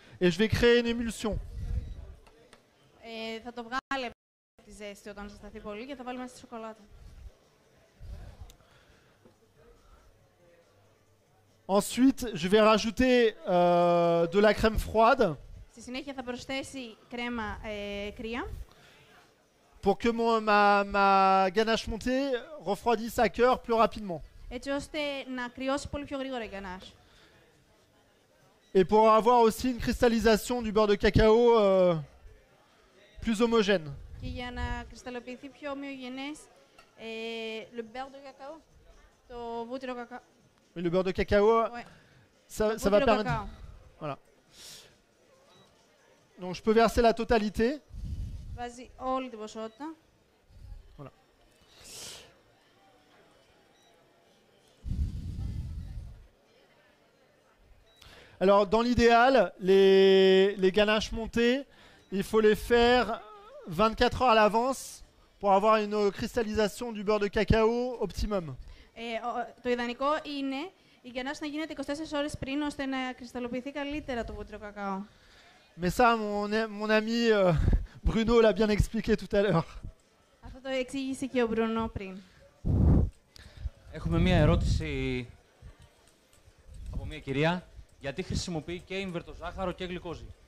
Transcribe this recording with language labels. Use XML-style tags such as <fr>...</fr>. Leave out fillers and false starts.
<fr>Et je vais créer une émulsion. Chocolat. Ensuite, je vais rajouter de la crème froide.</fr> <el>Στη συνέχεια θα προσθέσει κρέμα κρύα.</el> <fr>Pour que ma ganache montée refroidisse à cœur plus rapidement.</fr> <el>Έτσι ώστε να κρυώσει πολύ πιο γρήγορα η ganache.</el> <fr>Et pour avoir aussi une cristallisation du beurre de cacao plus homogène.</fr> <el>Και για να κρυσταλλοποιηθεί πιο ομοιογενές</el> <fr>le beurre de cacao,</fr> <el>το βούτυρο κακάο.</el> <fr>Mais le beurre de cacao, ouais. ça va permettre. Cacao. Voilà. Donc je peux verser la totalité. Vas-y,</fr> <en>all the</en> <fr>ποσότητα. Voilà. Alors, dans l'idéal, les ganaches montées, il faut les faire 24 heures à l'avance pour avoir une cristallisation du beurre de cacao optimum.</fr> <el>Το ιδανικό είναι η γενάση να γίνεται 24 ώρες πριν ώστε να κρυσταλλοποιηθεί καλύτερα το βούτυρο κακάο.</el> <fr>Mais ça, mon ami Bruno l'a bien expliqué tout à l'heure.</fr> <el>Αυτό το εξήγησε και ο Μπρουνό πριν. Έχουμε μία ερώτηση από μία κυρία. Γιατί χρησιμοποιεί και ίμβερτο ζάχαρο και γλυκόζι.</el>